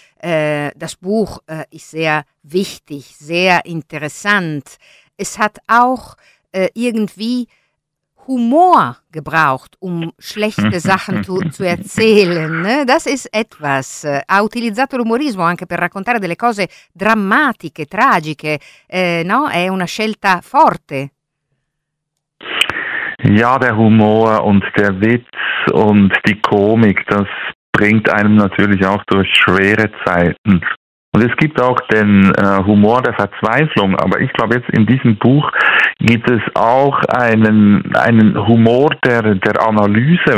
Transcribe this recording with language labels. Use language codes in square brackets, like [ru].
[de] Das Buch ist sehr wichtig, sehr interessant. Es hat auch irgendwie Humor gebraucht, um schlechte Sachen zu erzählen. Ne? Das ist etwas. [it] Ha utilizzato l'umorismo anche per raccontare delle cose drammatiche, tragiche. No? È una scelta forte. [de] Ja, der Humor und der Witz und die Komik, das bringt einem natürlich auch durch schwere Zeiten. Und es gibt auch den Humor der Verzweiflung, aber ich glaube jetzt in diesem Buch gibt es auch einen Humor der Analyse.